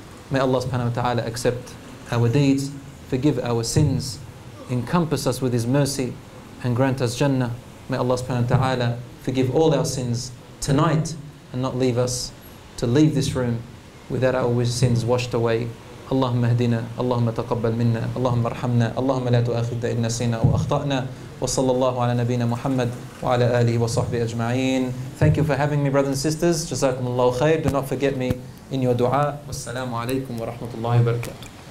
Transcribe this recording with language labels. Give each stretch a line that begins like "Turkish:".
English: May Allah subhanahu wa ta'ala accept our deeds, forgive our sins, encompass us with His mercy, and grant us Jannah. May Allah subhanahu wa ta'ala forgive all our sins tonight and not leave us to leave this room without our sins washed away.
Arabic: اللهم اهدنا اللهم تقبل منا اللهم ارحمنا اللهم لا تؤاخذنا إن نسينا أو أخطأنا وصلى الله على نبينا محمد وعلى آله وصحبه أجمعين.
English: Thank you for having me, brothers and sisters.
Arabic: جزاكم الله خير.
English: Do not forget me in your دعاء.
Arabic: والسلام عليكم ورحمة الله وبركاته.